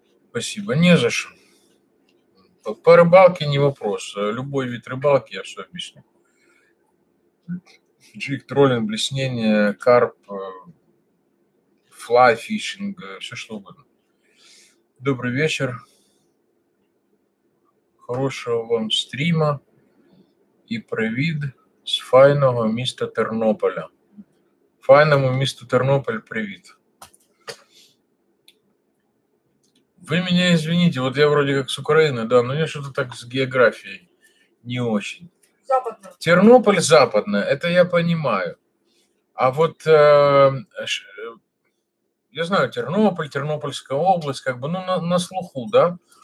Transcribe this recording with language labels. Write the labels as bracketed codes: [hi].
[ru] Спасибо. Не за что. По рыбалке не вопрос. Любой вид рыбалки я все объясню. Джиг, троллинг, блеснение, карп, флай фишинг, все что угодно. Добрый вечер. Хорошего вам стрима и [uk] привіт з файного міста Тернополя. Файному місту Тернополь привіт. [ru] Вы меня извините, вот я вроде как с Украины, да, но у меня что-то так с географией не очень. Западная. Тернополь западная, это я понимаю. А вот я знаю Тернополь, Тернопольская область, как бы, ну, на слуху, да?